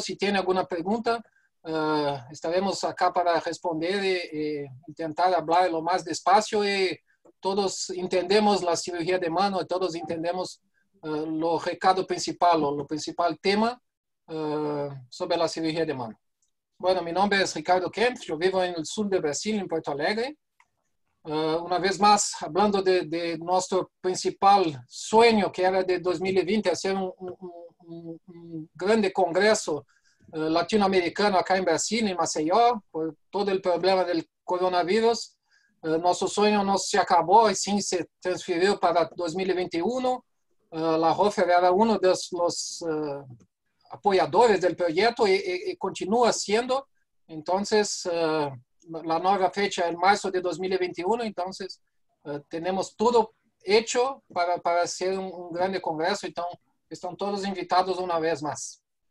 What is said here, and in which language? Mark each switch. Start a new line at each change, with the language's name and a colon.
Portuguese: Se tem alguma pergunta, estaremos
Spanish: acá
Portuguese: para responder e tentar falar o mais
Spanish: despacio.
Portuguese: E todos entendemos a cirurgia de mano, todos entendemos o recado principal, o principal tema sobre a cirurgia de mano.
Spanish: Bueno,
Portuguese: meu nome é Ricardo Kempf, eu vivo no sul do Brasil, em Porto Alegre.
Spanish: Una vez más, hablando de nuestro principal sueño, que era de 2020, hacer un grande congreso latinoamericano acá en Brasil, en Maceió, por todo el problema del coronavirus. Nuestro sueño no se acabó y sí se transfirió para 2021. La Hofer era uno de los apoyadores del proyecto y continúa siendo. Entonces,
Portuguese: a nova
Spanish: fecha
Portuguese: é março de 2021, então temos tudo feito para ser um grande congresso, então estão todos
Spanish: invitados
Portuguese: uma vez mais.